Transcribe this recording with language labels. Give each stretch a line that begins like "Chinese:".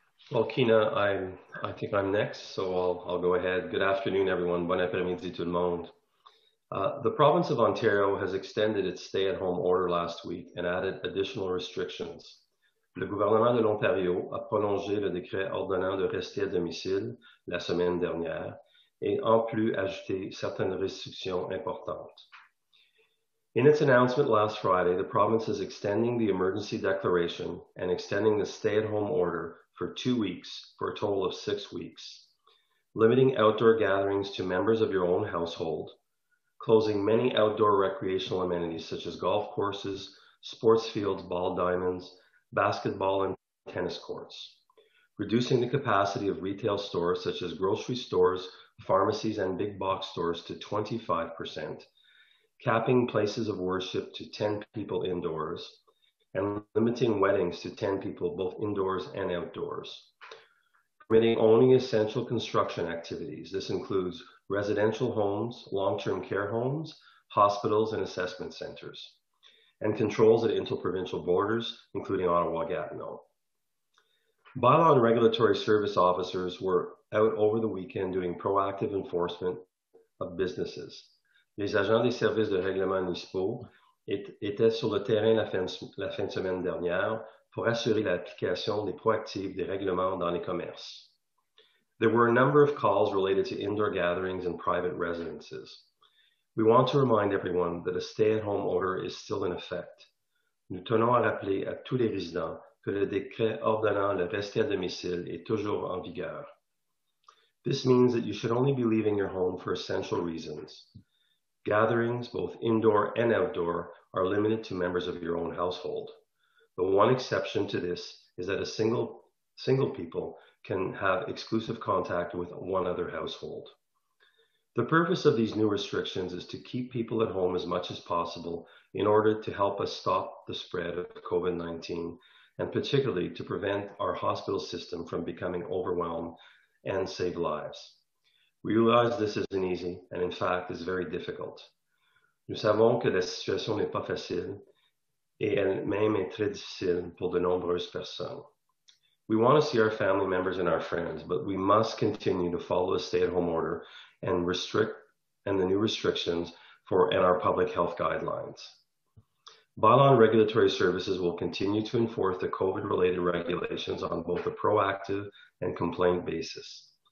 English: Well, Kina, I think I'm next, so I'll go ahead. Good afternoon, everyone.
French: Bon après-midi tout le monde.
English: The province of Ontario has extended its stay-at-home order last week and added additional restrictions.
French: Le gouvernement de l'Ontario a prolongé le décret ordonnant de rester à domicile la semaine dernière et en plus ajouté certaines restrictions importantes.
English: In its announcement last Friday, the province is extending the emergency declaration and extending the stay-at-home order for 2 weeks, for a total of 6 weeks, limiting outdoor gatherings to members of your own household, closing many outdoor recreational amenities such as golf courses, sports fields, ball diamonds, basketball and tennis courts, reducing the capacity of retail stores such as grocery stores, pharmacies and big box stores to 25%, capping places of worship to 10 people indoors, and limiting weddings to 10 people both indoors and outdoors, permitting only essential construction activities. This includes residential homes, long-term care homes, hospitals and assessment centers, and controls at interprovincial borders, including Ottawa-Gatineau. Bylaw and regulatory service officers were out over the weekend doing proactive enforcement of businesses.
French: Les agents des services de règlement municipaux étaient sur le terrain la fin de semaine dernière pour assurer l'application des proactives des règlements dans les commerces.
English: There were a number of calls related to indoor gatherings and private residences. We want to remind everyone that a stay-at-home order is still in effect.
French: Nous tenons à rappeler à tous les résidents que le décret ordonnant le rester à domicile est toujours en vigueur.
English: This means that you should only be leaving your home for essential reasons. Gatherings, both indoor and outdoor, are limited to members of your own household. The one exception to this is that a single people can have exclusive contact with one other household. The purpose of these new restrictions is to keep people at home as much as possible in order to help us stop the spread of COVID-19, and particularly to prevent our hospital system from becoming overwhelmed and save lives. We realize this isn't easy, and in fact, is very difficult.
French: Nous savons que la situation n'est pas facile, et elle-même est très difficile pour de nombreuses personnes.
English: We want to see our family members and our friends, but we must continue to follow a stay-at-home order and the new restrictions for and our public health guidelines. Bylaw and regulatory services will continue to enforce the COVID-related regulations on both a proactive and complaint basis.